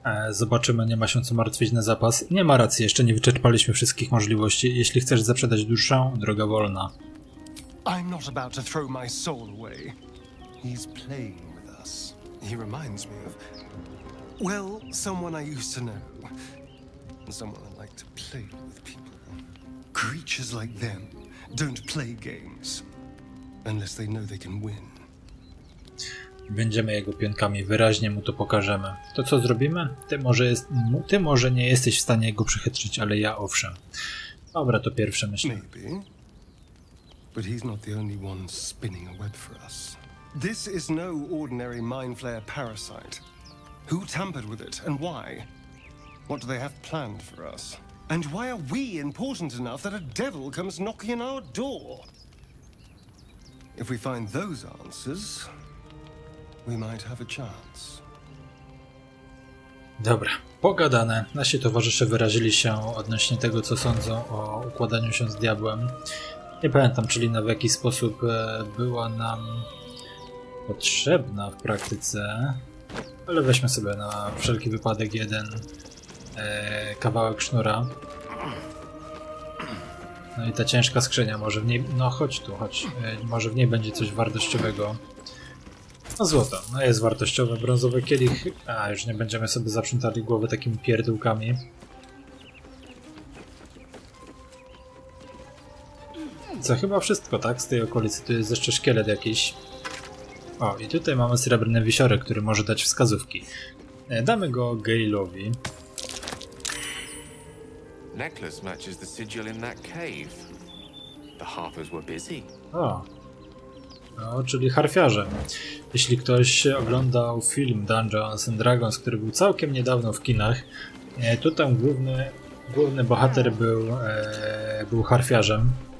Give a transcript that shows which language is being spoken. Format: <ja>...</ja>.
<pl>Zobaczymy, nie ma się co martwić na zapas. Nie ma racji, jeszcze nie wyczerpaliśmy wszystkich możliwości. Jeśli chcesz zaprzedać duszę, droga wolna.</pl> <en>I'm not about to throw my soul away. He's playing with us. He reminds me of... Well, someone I used to know. than someone I like to play with people. Creatures like them don't play games unless they know they can win.</en> <pl>Będziemy jego pionkami, wyraźnie mu to pokażemy. To co zrobimy? Ty może nie jesteś w stanie go przechytrzyć, ale ja owszem. Dobra, to pierwsze myślę.</pl> <en>Maybe. But he's not the only one spinning a web for us. This is no ordinary mind flayer parasite. Who tampered with it and why? What do they have planned for us? And why are we important enough that a devil comes knocking on our door? If we find those answers, we might have a chance.</en> <pl>Dobra, pogadane. Nasi towarzysze wyrazili się odnośnie tego, co sądzą o układaniu się z diabłem. Nie pamiętam, czyli na w jaki sposób była nam potrzebna w praktyce. Ale weźmy sobie na wszelki wypadek jeden kawałek sznura. No i ta ciężka skrzynia, może w niej... No chodź tu, chodź. Może w niej będzie coś wartościowego. No złoto, no jest wartościowe, brązowy kielich. A, już nie będziemy sobie zaprzątali głowy takimi pierdółkami. Co, chyba wszystko, tak? Z tej okolicy tu jest jeszcze szkielet jakiś. O, i tutaj mamy srebrny wisiorek, który może dać wskazówki. Damy go Gale'owi.</pl> <en>Necklace matches the sigil in that cave. The harpers were busy.</en> <pl>O. No, czyli harfiarze. Jeśli ktoś oglądał film Dungeons and Dragons, który był całkiem niedawno w kinach, to tam główny bohater był harfiarzem.</pl>